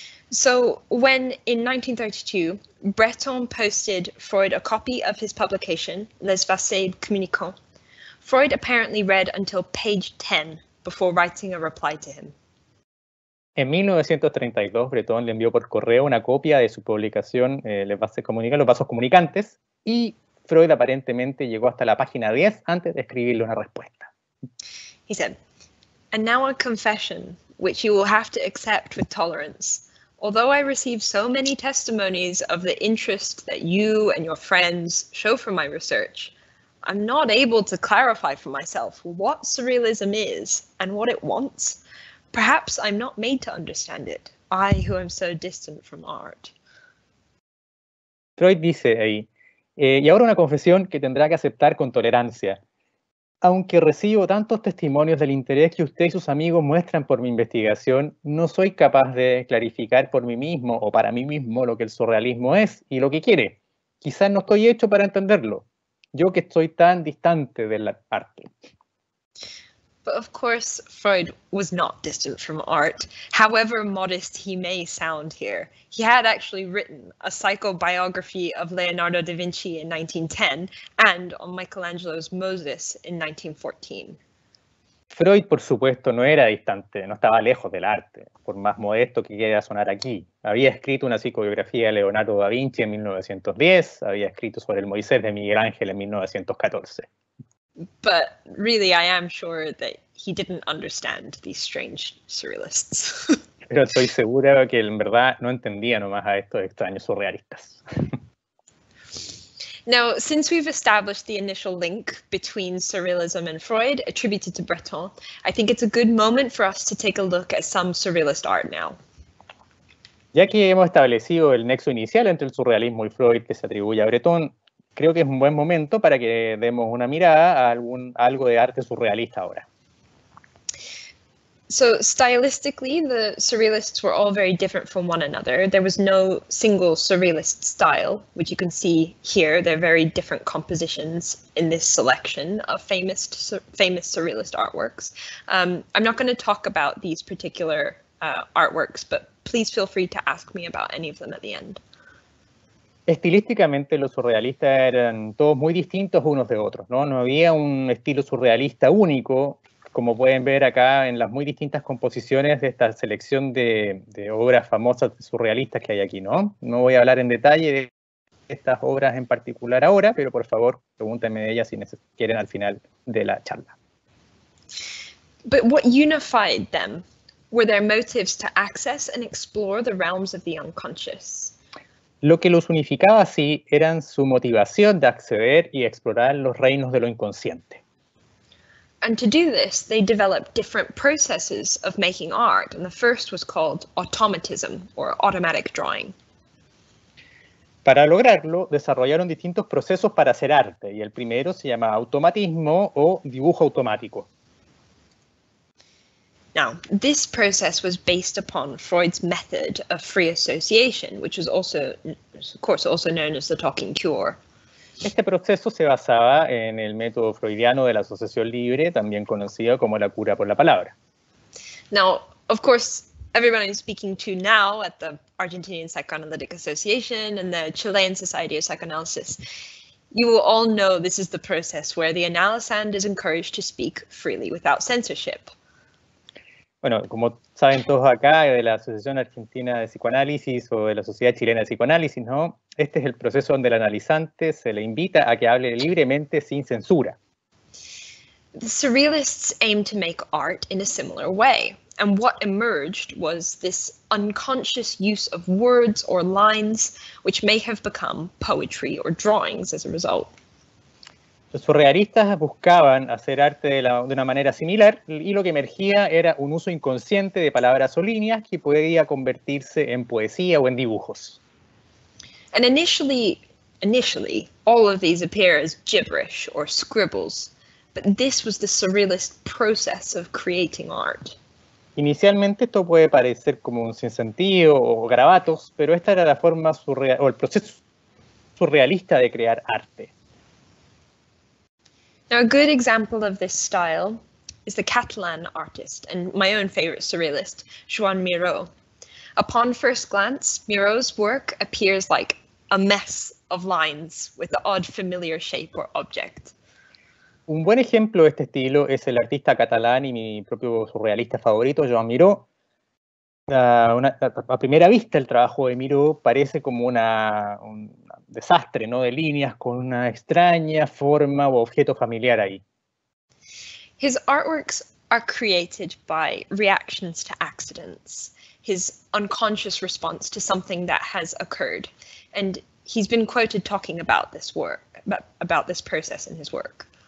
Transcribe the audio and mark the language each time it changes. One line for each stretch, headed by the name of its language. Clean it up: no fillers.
English: So when, in 1932, Breton posted Freud a copy of his publication, Les Versets Communicants, Freud apparently read until page 10 before writing a reply to him.
Spanish: En 1932, Breton le envió por correo una copia de su publicación, Les Versets Communicants, Los Vasos Comunicantes, y Freud aparentemente llegó hasta la página 10 antes de escribirle una respuesta.
English: He said, "And now a confession, which you will have to accept with tolerance. Although I receive so many testimonies of the interest that you and your friends show for my research, I'm not able to clarify for myself what surrealism is and what it wants. Perhaps I'm not made to understand it, I who am so distant from art."
Spanish: Freud dice ahí, "Y ahora una confesión que tendrá que aceptar con tolerancia. Aunque recibo tantos testimonios del interés que usted y sus amigos muestran por mi investigación, no soy capaz de clarificar por mí mismo o para mí mismo lo que el surrealismo es y lo que quiere. Quizás no estoy hecho para entenderlo, yo que estoy tan distante del arte."
English: But of course, Freud was not distant from art, however modest he may sound here. He had actually written a psychobiography of Leonardo da Vinci in 1910 and on Michelangelo's Moses in 1914.
Spanish: Freud, por supuesto, no era distante, no estaba lejos del arte, por más modesto que quiera sonar aquí. Había escrito una psicobiografía de Leonardo da Vinci en 1910, había escrito sobre el Moisés de Miguel Ángel en 1914.
English: But really, I am sure that he didn't understand these strange surrealists.
Spanish: Pero estoy segura que en verdad no entendía nomás a estos extraños surrealistas.
English: Now, since we've established the initial link between Surrealism and Freud, attributed to Breton, I think it's a good moment for us to take a look at some Surrealist art now.
Spanish: Ya que hemos establecido el nexo inicial entre el surrealismo y Freud que se atribuye a Breton, creo que es un buen momento para que demos una mirada a algo de arte surrealista ahora.
English: So stylistically, the surrealists were all very different from one another. There was no single surrealist style, which you can see here. They're very different compositions in this selection of famous surrealist artworks. I'm not going to talk about these particular artworks, but please feel free to ask me about any of them at the end.
Spanish: Estilísticamente, los surrealistas eran todos muy distintos unos de otros, ¿no? No había un estilo surrealista único, como pueden ver acá en las muy distintas composiciones de esta selección de obras famosas surrealistas que hay aquí, ¿no? No voy a hablar en detalle de estas obras en particular ahora, pero por favor, pregúntenme de ellas si quieren al final de la charla.
English: But what unified them? Were their motives to access and explore the realms of the unconscious?
Spanish: Lo que los unificaba, sí, eran su motivación de acceder y explorar los reinos de lo inconsciente.
English: And to do this, they developed different processes of making art, and the first was called automatism, or automatic drawing.
Spanish: Para lograrlo, desarrollaron distintos procesos para hacer arte, y el primero se llama automatismo o dibujo automático.
English: Now, this process was based upon Freud's method of free association, which was also, of course, also known as the talking cure.
Spanish: Este proceso se basaba en el método freudiano de la asociación libre, también conocido como la cura por la palabra.
English: Now, of course, everyone I'm speaking to now at the Argentinian Psychoanalytic Association and the Chilean Society of Psychoanalysis, you will all know this is the process where the analysand is encouraged to speak freely without censorship.
Spanish: Bueno, como saben todos acá de la Asociación Argentina de Psicoanálisis o de la Sociedad Chilena de Psicoanálisis, ¿no? Este es el proceso donde el analizante se le invita a que hable libremente sin censura.
English: The surrealists aimed to make art in a similar way, and what emerged was this unconscious use of words or lines which may have become poetry or drawings as a result.
Spanish: Los surrealistas buscaban hacer arte de una manera similar y lo que emergía era un uso inconsciente de palabras o líneas que podía convertirse en poesía o en dibujos.
English: And initially, all of these appear as gibberish or scribbles, but this was the surrealist process of creating art.
Spanish: Inicialmente esto puede parecer como un sinsentido o garabatos, pero esta era la forma surreal, o el proceso surrealista de crear arte.
English: Now, a good example of this style is the Catalan artist and my own favorite surrealist, Joan Miró. Upon first glance, Miró's work appears like a mess of lines with the odd familiar shape or object.
Spanish: Un buen ejemplo de este estilo es el artista catalán y mi propio surrealista favorito, Joan Miró. A primera vista, el trabajo de Miró parece como un desastre, ¿no? De líneas con una extraña forma o objeto familiar ahí.
English: His artworks are created by reactions to accidents, his unconscious response to something that has occurred, and he's been quoted talking about this work, about this process in his work.